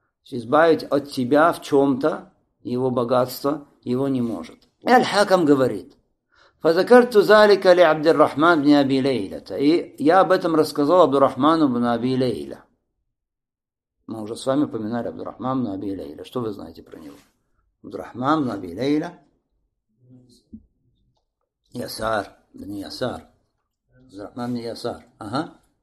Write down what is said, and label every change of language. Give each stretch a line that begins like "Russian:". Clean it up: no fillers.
Russian: Избавить от тебя в чем-то его богатство его не может. И аль-Хакам говорит:
Arabic: فذكرت ذلك لعبد الرحمن بن أبي ليلى.
Russian: И я об этом рассказал Абдурахману бин Аби Лейла. Мы уже с вами упоминали Абдурахман бин Аби Лейла. Что вы знаете про него? Абдурахман бин Аби Лейла. Ясар бин Ясар. Абдурахман бин Ясар. Ага.